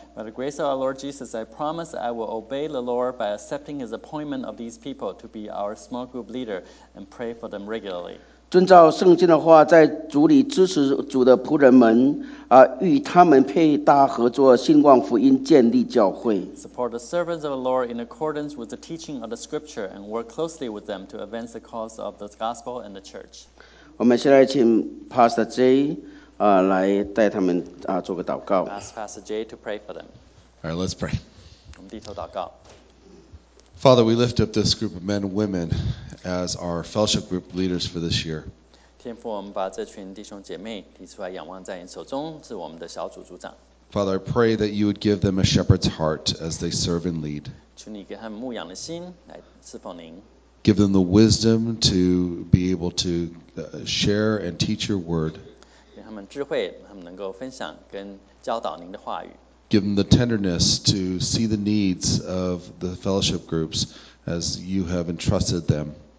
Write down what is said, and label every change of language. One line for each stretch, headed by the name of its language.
English: By the grace of our Lord Jesus, I promise I will obey the Lord by accepting His appointment of these people to be our small group leader and pray for them regularly.
Chinese: 遵照圣经的话，在主里支持主的仆人们与他们配搭合作，兴旺福音，建立教会。
English: Support the servants of the Lord in accordance with the teaching of the Scripture, and work closely with them to advance the cause of the gospel and the church.
Chinese: 我们现在请 Pastor Jay 来带他们做个祷告。
English: Ask Pastor Jay to pray for them. All right, let's pray.
Chinese: 我们低头祷告。
English: Father, we lift up this group of men and women as our fellowship group leaders for this year.
Chinese: 天父，我们把这群弟兄姐妹提出来，仰望在你手中，是我们的小组组长。
English: Father, I pray that you would give them a shepherd's heart as they serve and lead.
Chinese: 求你给他们牧养的心来侍奉您。
English: Give them the wisdom to be able to share and teach your word.
Chinese: 给他们智慧，他们能够分享跟教导您的话语。
English: Give them the tenderness to see the needs of the fellowship groups as you have entrusted them.